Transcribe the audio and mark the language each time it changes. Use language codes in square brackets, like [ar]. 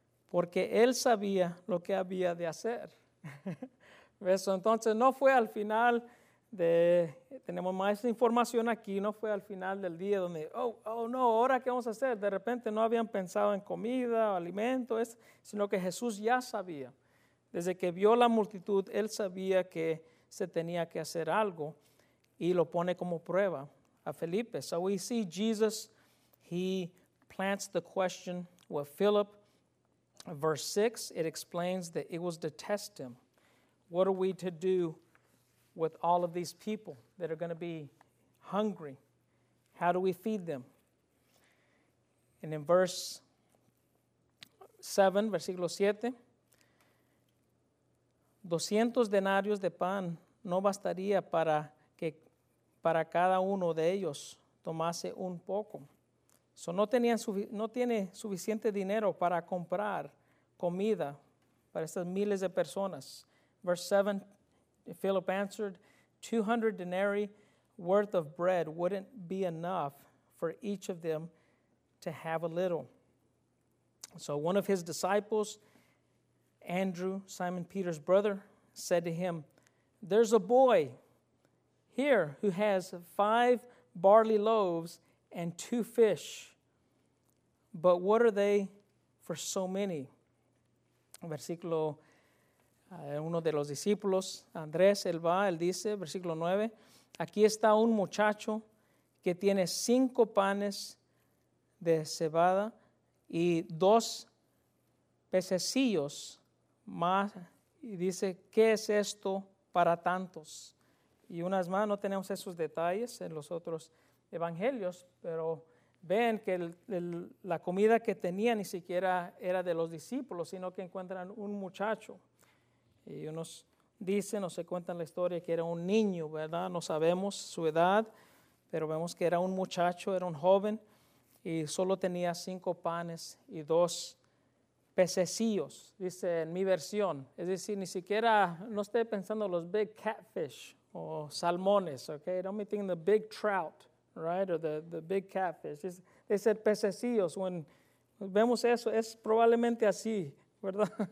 [es] porque él sabía lo que había de hacer. Eso, entonces no fue al final de, tenemos más información aquí, no fue al final del día donde, oh no, ¿ahora qué vamos a hacer? De repente no habían pensado en comida, alimento, sino que Jesús ya sabía. Desde que vio la multitud, él sabía que se tenía que hacer algo y lo pone como prueba a Felipe. [en] So we see Jesus, he plants the question with Philip. Verse 6, it explains that it was to test him. What are we to do with all of these people that are going to be hungry? How do we feed them? And in verse 7, [es] versículo 7, 200 denarios de pan no bastaría para que para cada uno de ellos tomase un poco. So no tiene suficiente dinero para comprar comida para estas miles de personas. [en] Verse 7, Philip answered, 200 denarii worth of bread wouldn't be enough for each of them to have a little. So one of his disciples, Andrew, Simon Peter's brother, said to him, there's a boy here who has 5 barley loaves and 2 fish. But what are they for so many? [es] Versículo uno de los discípulos, Andrés, él dice, versículo 9, aquí está un muchacho que tiene 5 panes de cebada y 2 pececillos más, y dice, ¿qué es esto para tantos? Y unas más, no tenemos esos detalles en los otros evangelios, pero ven que la comida que tenía ni siquiera era de los discípulos, sino que encuentran un muchacho. Y unos dicen, o se cuentan la historia, que era un niño, ¿verdad? No sabemos su edad, pero vemos que era un muchacho, era un joven, y solo tenía 5 panes y 2 pececillos, dice en mi versión. Es decir, ni siquiera, no estoy pensando los [en] big catfish [es] o salmones, okay? [en] Don't be thinking the big trout, right? Or the big catfish. [es] Es el pececillos. When vemos eso, es probablemente así, ¿verdad?